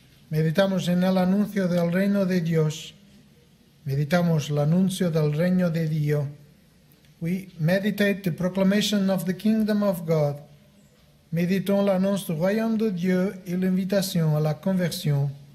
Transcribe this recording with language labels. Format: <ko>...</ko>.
<es>Meditamos en el anuncio del reino de Dios. Meditamos el anuncio del reino de Dios.</es> <en>We meditate the proclamation of the kingdom of God.</en> <fr>Meditons l'annonce du royaume de Dieu et l'invitation à la conversion.</fr>